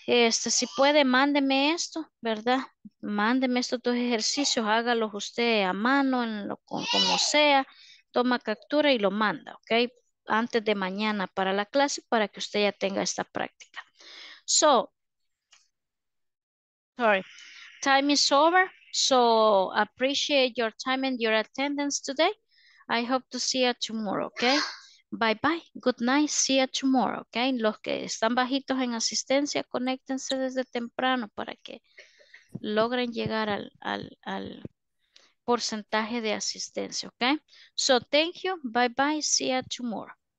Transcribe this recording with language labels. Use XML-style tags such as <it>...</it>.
<es>Si puede, mándeme esto, ¿verdad? Mándeme estos dos ejercicios, hágalos usted a mano, como sea. Toma captura y lo manda, ¿ok? Antes de mañana para la clase, para que usted ya tenga esta práctica.</es> <en>So, sorry, time is over. So, appreciate your time and your attendance today. I hope to see you tomorrow, okay? Bye bye, good night, see you tomorrow, okay?</en> <es>Los que están bajitos en asistencia, conéctense desde temprano para que logren llegar al porcentaje de asistencia, okay?</es> <en>So thank you, bye bye, see you tomorrow.</en>